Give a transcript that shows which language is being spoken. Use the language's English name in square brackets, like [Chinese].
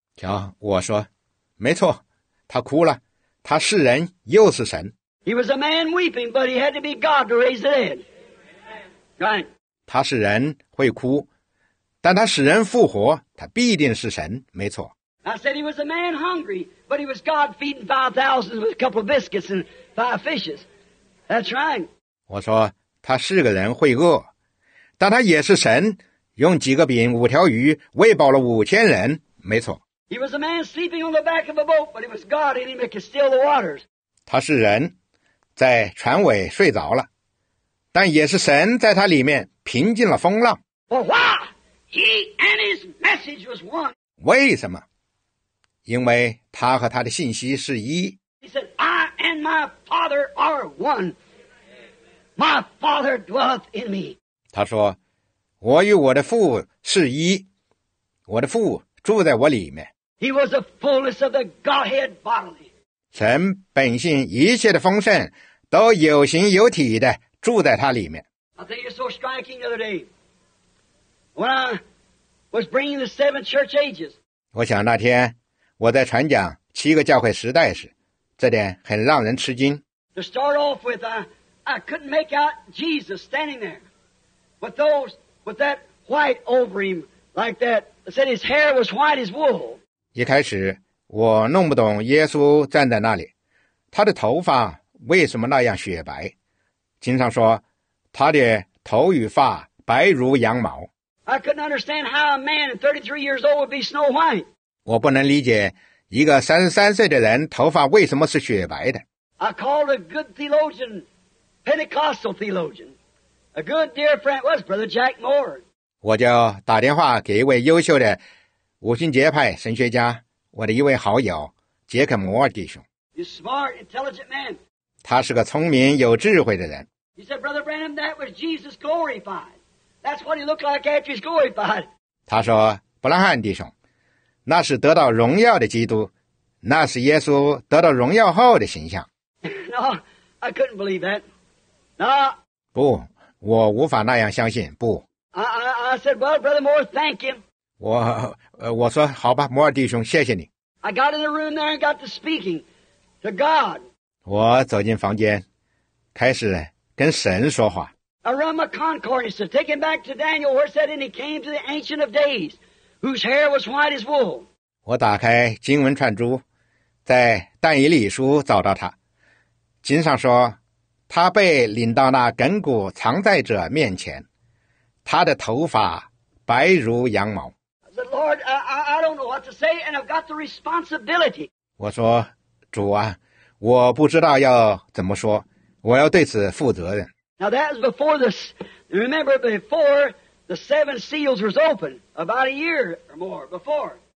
[Chinese] 瞧，我说，没错，他哭了，他是人又是神。 [English] He was a man weeping, but he had to be God to raise the dead. Right. [Chinese] 他是人会哭，但他使人复活，他必定是神，没错。 [English] I said he was a man hungry, but he was God feeding 5,000 with a couple of biscuits and 5 fishes. That's right. [Chinese] 我说他是个人会饿，但他也是神，用几个饼5条鱼喂饱了5000人，没错。 [English] He was a man sleeping on the back of a boat, but he was God in him that could still the waters. [Chinese] 他是人，在船尾睡着了，但也是神在他里面平静了风浪。 [English] But why? He and his message was one. [Chinese] 为什么？因为他和他的信息是一。 [English] He said, I and my Father are one. My Father dwelleth in me. [Chinese] 他说，我与我的父是一，我的父住在我里面。 [English] He was the fullness of the Godhead bodily. [Chinese] 神本性一切的丰盛都有形有体的住在他里面。 [English] I think it's so striking the other day. When I was bringing the seven church ages. [Chinese] 我想那天我在传讲七个教会时代时，这点很让人吃惊。 [English] To start off with, I couldn't make out Jesus standing there, with those with that white over him, like that. I said his hair was white as wool. [Chinese] 一开始我弄不懂耶稣站在那里，他的头发为什么那样雪白？经常说他的头与发白如羊毛。 [English] I couldn't understand how a man 33 years old would be snow white. [Chinese] 我不能理解一个33岁的人头发为什么是雪白的。 [English] I called a good theologian, Pentecostal theologian, a good dear friend was Brother Jack Moore. [Chinese] 我就打电话给一位优秀的五旬节派神学家，我的一位好友杰克摩尔弟兄。 [English] He's smart, intelligent man. [Chinese] 他是个聪明有智慧的人。 [English] He said, Brother Branham, that was Jesus glorified. That's what he looked like after he's glorified. [Chinese] 他说，布拉汉弟兄。那是得到荣耀的基督，那是耶稣得到荣耀后的形象。 [English] No, I couldn't believe that. No. [Chinese] 不，我无法那样相信。不。 [English] I said, well, Brother Moore, thank him. [Chinese] 我说好吧，摩尔弟兄，谢谢你。 [English] I got in the room there and got to speaking to God. [Chinese] 我走进房间，开始跟神说话。 [English] I run my concordance to take him back to Daniel, where it said, and he came to the Ancient of Days. Whose hair was white as wool. [Chinese] 我打开经文串珠，在但以理书找到他。经上说，他被领到那亘古常在者面前，他的头发白如羊毛。 [English] I said, Lord, I don't know what to say, and I've got the responsibility. [Chinese] 我说，主啊，我不知道要怎么说，我要对此负责任。 [English] Now that was before this. Remember before. The seven seals was open about a year or more before.